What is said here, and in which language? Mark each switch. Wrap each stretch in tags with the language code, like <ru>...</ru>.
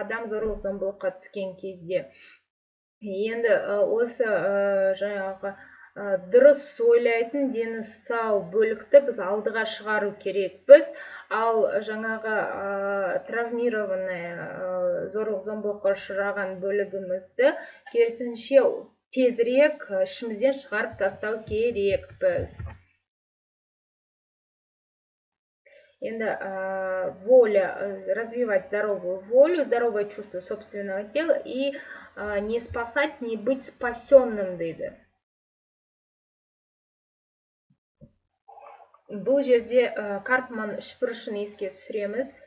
<kk>Адам зорлық зомбылыққа түскен кезде. Енді осы жаңағы дұрыс ойлайтын дені сау бөлікті біз алдыға шығару керекпіз. Ал жаңағы травмированная, зорлық зомбылыққа ұшыраған бөлігімізді керісінше тезірек ішімізден шығарып тастау керекпіз. Енді</kk> <ru>воля, развивать здоровую волю, здоровое чувство собственного тела и не спасать, не быть спасенным</ru> <kk>дейді. Бұл жерде Карпман шпыршын еске түсіреміз.</kk>